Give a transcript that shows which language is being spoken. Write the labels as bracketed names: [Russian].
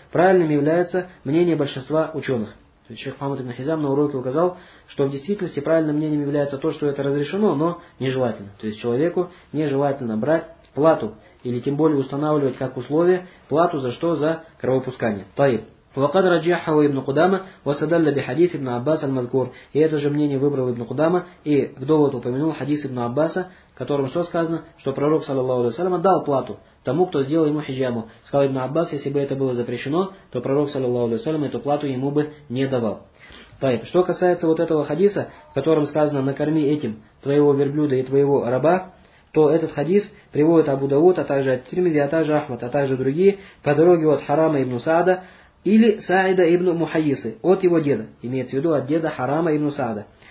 [Russian] Правильным является мнение большинства ученых. То есть шейх Мухаммад ибн Хизам на уроке указал, что в действительности правильным мнением является то, что это разрешено, но нежелательно. То есть человеку нежелательно брать плату, или тем более устанавливать как условие, плату за что? За кровопускание. Таиб. [Arabic] وقد رجحه ابن قدامة وسدل بحديث ابن عباس المذكور. [Russian] И это же мнение выбрал ابن قدامة, и в довод упомянул хадис ابن عباس, которым что сказано, что пророк саллаллаху алейхи ва саллям дал плату тому, кто сделал ему хиджаму. Сказал ابن عباس, если бы это было запрещено, то пророк саллаллаху алейхи ва саллям эту плату ему бы не давал. Так, что касается вот этого хадиса, в котором сказано накорми этим твоего верблюда и твоего раба, то этот хадис приводит Абу Дауд, а также Тирмизи, а также Ахмад, а также другие по дороге от Харама ибн Саада или Саида ибн Мухаисы, от его деда, имеется в виду от деда Харама ибн Саада.